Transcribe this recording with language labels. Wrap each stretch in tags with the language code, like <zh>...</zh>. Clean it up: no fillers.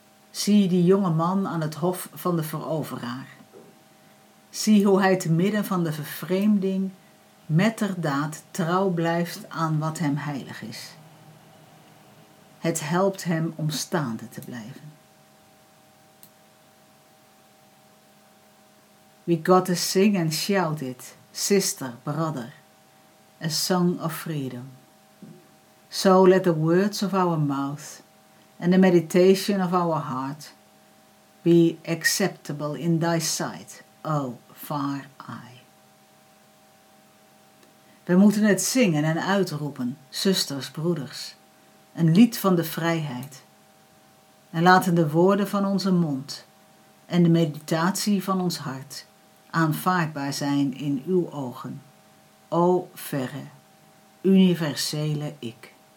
<nl>Zie die jonge man aan het hof van de veroveraar. Zie hoe hij te midden van de vervreemding metterdaad trouw blijft aan wat hem heilig is. Het helpt hem om staande te blijven.</nl> <en>We gotta sing and shout it, sister, brother, a song of freedom. So let the words of our mouth and the meditation of our heart be acceptable in thy sight, O far eye.</en> <nl>We moeten het zingen en uitroepen, zusters, broeders, een lied van de vrijheid. En laten de woorden van onze mond en de meditatie van ons hart aanvaardbaar zijn in uw ogen, o verre, universele ik.</nl>